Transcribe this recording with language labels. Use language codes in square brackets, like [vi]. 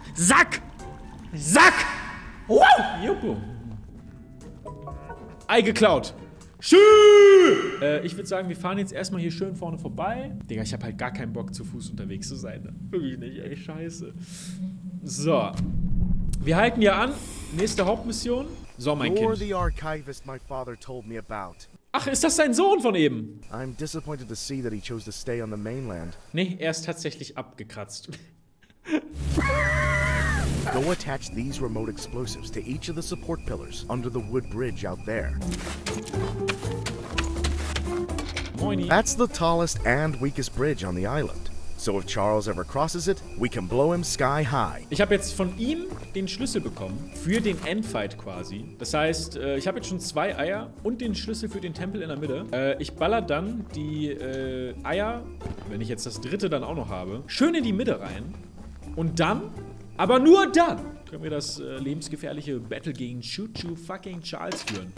[de] Sack! Sack! Juppo. Ei geklaut. Ich würde sagen, wir fahren jetzt erstmal hier schön vorne vorbei. Digga, ich hab halt gar keinen Bock, zu Fuß unterwegs zu sein. Wirklich nicht, ey, scheiße. So. Wir halten hier an. Nächste Hauptmission. So, mein [en] You're Kind. The archivist my father told me about. [de] Ach, ist das sein Sohn von eben? [en] I'm disappointed to see that he chose to stay on the mainland. [de] Nee, er ist tatsächlich abgekratzt. [en] Go attach these remote explosives to each of the support pillars under the wood bridge out there. [de] Moini. [en] That's the tallest and weakest bridge on the island. So if Charles ever crosses it, we can blow him sky high. [de] Ich habe jetzt von ihm den Schlüssel bekommen für den Endfight quasi. Das heißt, ich habe jetzt schon 2 Eier und den Schlüssel für den Tempel in der Mitte. Ich baller dann die Eier, wenn ich jetzt das dritte dann auch noch habe, schön in die Mitte rein. Und dann, aber nur dann, können wir das lebensgefährliche Battle gegen Choo-Choo fucking Charles führen.